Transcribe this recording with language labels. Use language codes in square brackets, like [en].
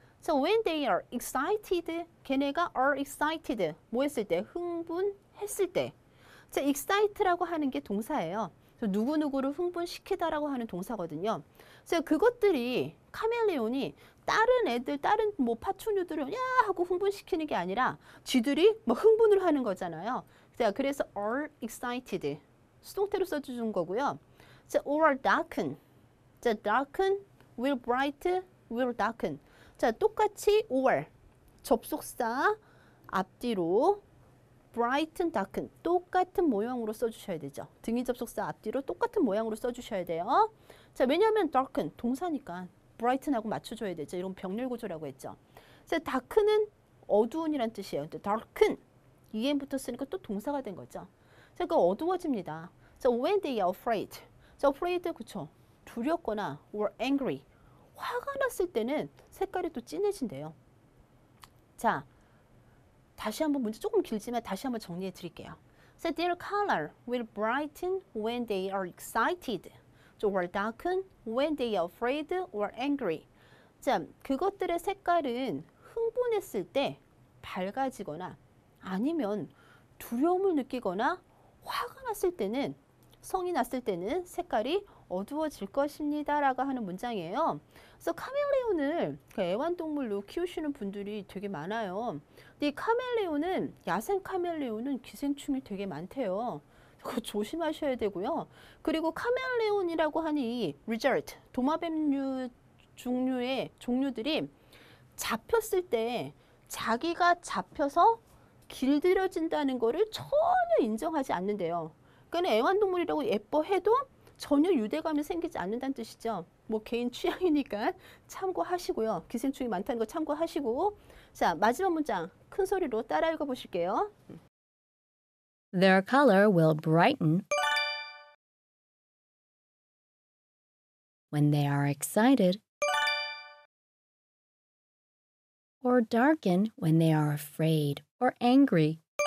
[en] So when they are excited, [ko] 걔네가 [en] are excited. [ko] 뭐 했을 때? 흥분했을 때. So excite라고 하는 게 동사예요. 누구누구를 흥분시키다라고 하는 동사거든요. 그래서 그것들이 카멜레온이 다른 애들, 다른 뭐 파충류들을 야 하고 흥분시키는 게 아니라 쥐들이 뭐 흥분을 하는 거잖아요. 그래서 [en] are excited. [ko] 수동태로 써준 거고요. [en] Or darken. Darken, will bright, will darken. [ko] 자, 똑같이 [en] or. [ko] 접속사 앞뒤로. [en] Brighten, darken. [ko] 똑같은 모양으로 써주셔야 되죠. 등이 접속사 앞뒤로 똑같은 모양으로 써주셔야 돼요. 자, 왜냐하면 darken, 동사니까 brighten하고 맞춰줘야 되죠. 이런 병렬 구조라고 했죠. 자, darken은 어두운이란 뜻이에요. darken, em 붙었으니까 또 동사가 된 거죠. 자, 그러니까 어두워집니다. [en] So when they are afraid. So afraid, [ko] 그쵸. 두렵거나 [en] or angry. [ko] 화가 났을 때는 색깔이 또 진해진대요. 자, 다시 한번 문제 조금 길지만 다시 한번 정리해 드릴게요. [en] So their color will brighten when they are excited or darken when they are afraid or angry. [ko] 자, 그것들의 색깔은 흥분했을 때 밝아지거나 아니면 두려움을 느끼거나 화가 났을 때는 성이 났을 때는 색깔이 어두워질 것입니다 라고 하는 문장이에요. 그래서 카멜레온을 애완동물로 키우시는 분들이 되게 많아요. 근데 이 카멜레온은 야생 카멜레온은 기생충이 되게 많대요. 그거 조심하셔야 되고요. 그리고 카멜레온이라고 하는 이 result 도마뱀류 종류의 종류들이 잡혔을 때 자기가 잡혀서 길들여진다는 것을 전혀 인정하지 않는데요. 그러니까 애완동물이라고 예뻐해도 전혀 유대감이 생기지 않는다는 뜻이죠. 뭐 개인 취향이니까 참고하시고요. 기생충이 많다는 거 참고하시고. 자, 마지막 문장 큰 소리로 따라 읽어 보실게요. [en] Their color will brighten when they are excited or darken when they are afraid or angry.